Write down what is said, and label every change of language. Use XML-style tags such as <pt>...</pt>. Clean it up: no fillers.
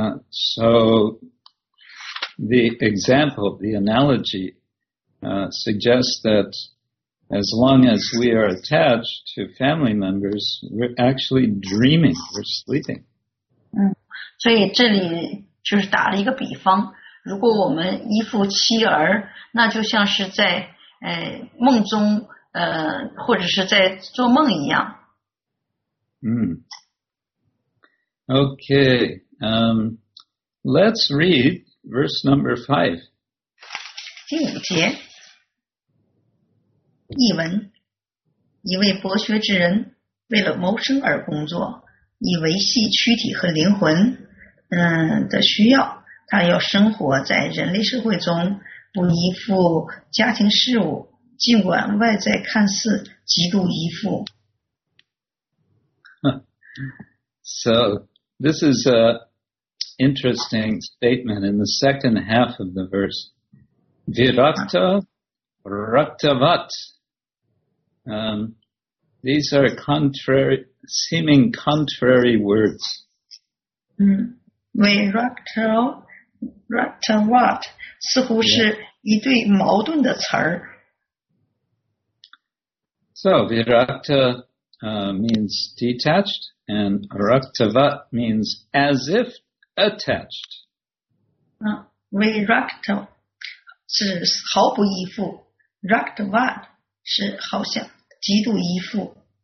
<en>So the example, the analogy, suggests that as long as we are attached to family members, we're actually dreaming, we're sleeping.</en> <zh>所以这里就是打了一个比方，如果我们依附妻儿，那就像是在梦中，或者是在做梦一样。</zh> <en>Okay, let's read verse number 5.</en> <zh>第五节，译文：一位博学之人为了谋生而工作，以维系躯体和灵魂，的需要。他要生活在人类社会中，不依附家庭事务，尽管外在看似极度依附。</zh> <en>So, this is an interesting statement in the second half of the verse.</en> <sa>Virakta, raktavat.</sa> <en>These are seeming contrary words.</en> <zh>为 raktavat 似乎是一对矛盾的词儿。</zh> <en>So, virakta, means detached. And raktavat means as if attached.</en> <zh>为 raktavat 是毫不依附，raktavat 是好像极度依附。</zh>